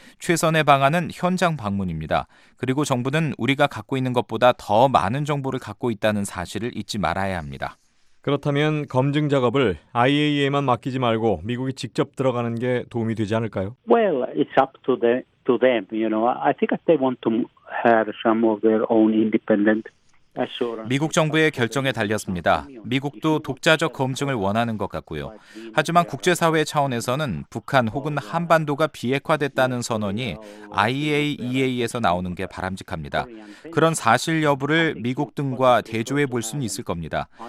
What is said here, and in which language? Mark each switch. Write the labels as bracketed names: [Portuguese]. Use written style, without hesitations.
[Korean] 최선의 방안은 현장 방문입니다. 그리고 정부는 우리가 갖고 있는 것보다 더 많은 정보를 갖고 있다는 사실을 잊지 말아야 합니다. 그렇다면 검증 작업을 IAEA만 맡기지 말고 미국이 직접 들어가는 게 도움이 되지 않을까요? [English] Well, it's up to them, you know. I think they want to have some of their own independent. [Korean] 미국 정부의 결정에 달렸습니다. 미국도 독자적 검증을 원하는 것 같고요. 하지만 국제사회 차원에서는 북한 혹은 한반도가 비핵화됐다는 선언이 IAEA에서 나오는 게 바람직합니다. 그런 사실 여부를 미국 등과 대조해 볼 수는 있을 겁니다.